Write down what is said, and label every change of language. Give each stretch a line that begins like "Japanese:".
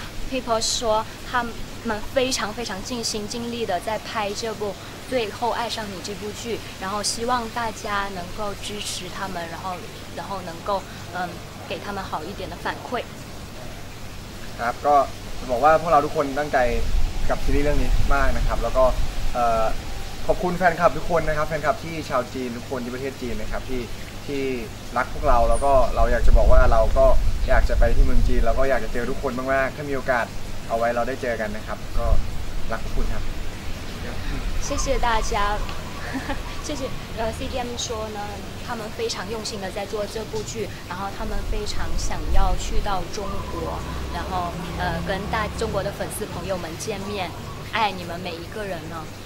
Chinese: People 说他们非常非常尽心尽力的在拍这部最后爱上你这部剧，然后希望大家能够支持他们，然后能够给他们好一点的反馈。
Thai: ครับก็จะบอกว่าพวกเราทุกคนตั้งใจกับซีรีส์เรื่องนี้มากนะครับแล้วก็ขอบคุณแฟนคลับทุกคนนะครับแฟนคลับที่ชาวจีนทุกคนที่ประเทศจีนนะครับที่รักพวกเราแล้วก็เราอยากจะบอกว่าเราก็อยากจะไปที่เมืองจีนแล้วก็อยากจะเจอทุกคนมากๆถ้ามีโอกาสเอาไว้เราได้เจอกันนะครับก็รักทุกคนครับ
Chinese: 谢谢大家谢谢CDM 说呢他们非常用心的在做这部剧然后他们非常想要去到中国然后跟大中国的粉丝朋友们见面爱你们每一个人呢